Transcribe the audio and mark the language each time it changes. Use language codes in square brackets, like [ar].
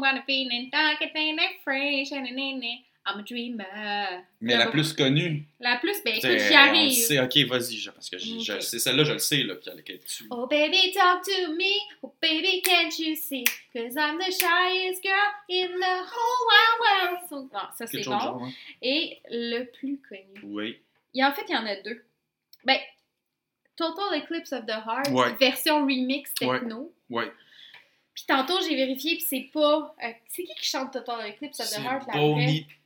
[en] Got a feeling dark and then I'm fresh. And then I'm a dreamer. [fr] Mais c'est la plus connue. La plus, ben écoute, j'y arrive. C'est OK, vas-y, parce que okay. Je sais, celle-là, je le sais, là, puis elle est dessus. [en] Oh baby, talk to me. Oh baby, can't you see? Cause I'm the shyest girl in the whole wide world. [fr] So, bon, ça, c'est quelque bon. Genre, hein? Et le plus connu. Oui. Et en fait, il y en a deux. Ben, Total Eclipse of the Heart, ouais. Version remix techno. Ouais. Puis tantôt, j'ai vérifié, puis c'est pas... c'est qui chante Total Eclipse of the Heart? C'est Bonnie...